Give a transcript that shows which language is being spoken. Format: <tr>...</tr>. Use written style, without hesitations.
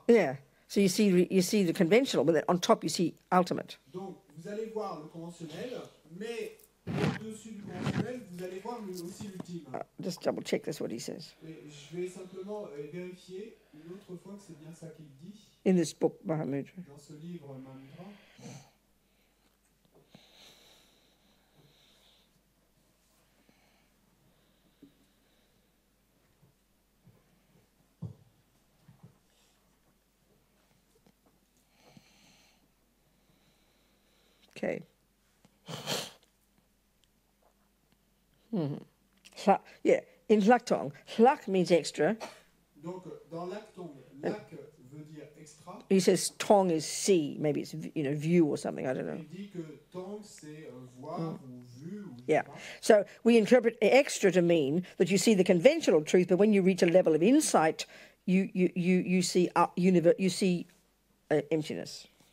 <en>Yeah, so you see the conventional, but then on top you see ultimate.</en> <fr>Donc, vous allez voir le conventionnel, mais au-dessus du conventionnel, vous allez voir aussi l'ultime.</fr> <en>Just double check, that's what he says.</en> <fr>Mais je vais simplement vérifier une autre fois que c'est bien ça qu'il dit.</fr> <en>In this book, Mahamudra.</en> <fr>Dans ce livre, Mahamudra.</fr> <en>Okay. Mm-hmm. In laktong, lak means extra.</en> <fr>Donc, dans laktong, lak veut dire extra.</fr> <en>He says tong is see, maybe it's view or something, I don't know.</en> <fr>Il dit que tong c'est voir ou vue.</fr> <en>Yeah. So we interpret extra to mean that you see the conventional truth, but when you reach a level of insight, you see emptiness.</en>